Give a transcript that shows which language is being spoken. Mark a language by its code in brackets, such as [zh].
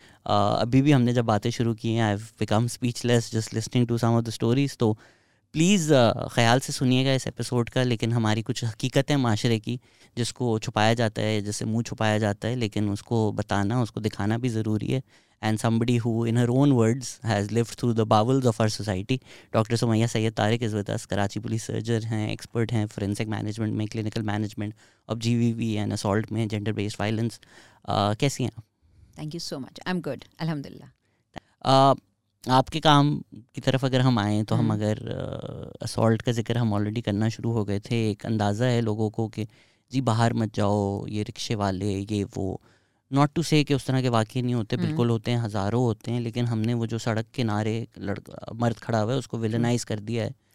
[ur] ابھی بھی ہم نے جب باتیں شروع کی ہیں, [en] I have become speechless just listening to some of the stories. [ur] تو پلیز خیال سے سنیے گا اس ایپیسوڈ کا, لیکن ہماری کچھ حقیقتیں معاشرے کی جس کو چھپایا جاتا ہے, جسے منہ چھپایا جاتا ہے, لیکن اس کو بتانا, اس کو دکھانا بھی ضروری ہے. [en] And somebody who, in her own words, has lived through the bowels of our society, Dr. Summaiya Syed Tariq is with us. Karachi police surgeon hain, expert hain, forensic management mein, clinical management of GVV and assault mein, gender-based violence. [ur] Kaisi hain? [en] Thank you so much. I'm good. Alhamdulillah. [ur] آپ کے کام کی طرف اگر ہم آئیں تو ہم اگر اسالٹ کا ذکر ہم آلریڈی کرنا شروع ہو گئے تھے, ایک اندازہ ہے لوگوں کو کہ جی باہر مت جاؤ, یہ رکشے والے, یہ وہ. [en] not to say [ur] کہ اس طرح کے واقعے نہیں ہوتے, بالکل ہوتے ہیں, ہزاروں ہوتے ہیں, لیکن ہم نے وہ جو سڑک کنارے لڑکا مرد کھڑا ہوا ہے اس کو ویلنائز کر دیا ہے.